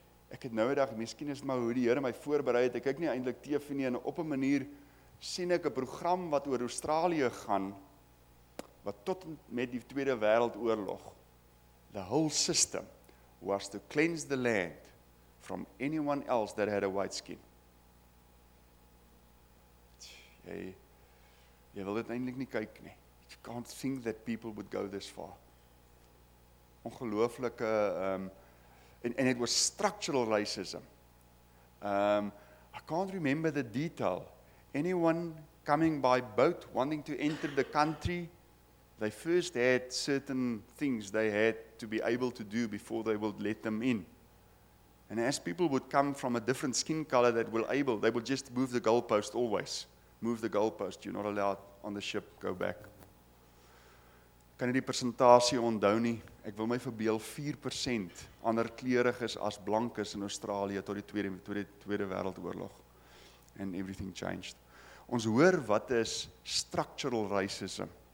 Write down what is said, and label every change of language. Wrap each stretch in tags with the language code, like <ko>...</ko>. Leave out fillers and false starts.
<af>Ek het nou 'n dag, miskien is maar hoe die Here my voorberei het, ek kyk nie eintlik TV nie, en op 'n manier sien ek 'n program wat oor Australië gaan, wat tot met die Tweede Wêreldoorlog,</af> <en>the whole system was to cleanse the land from anyone else that had a white skin.</en> <af>Jy wil dit eintlik nie kyk nie.</af> <en>You can't think that people would go this far.</en> <af>Ongelooflike,</af> <en>and it was structural racism. I can't remember the detail. Anyone coming by boat wanting to enter the country, they first had certain things they had to be able to do before they would let them in. And as people would come from a different skin color that were able, they would just move the goalpost always. Move the goalpost, you're not allowed on the ship, go back.</en> <af>Kan jy die persentasie onthou nie? Ek wil my verbeel 4% ander kleurig is as blank is in Australië tot die tweede wêreldoorlog.</af> <en>And everything changed.</en> <af>Ons hoor wat is</af> <en>structural racism.</en>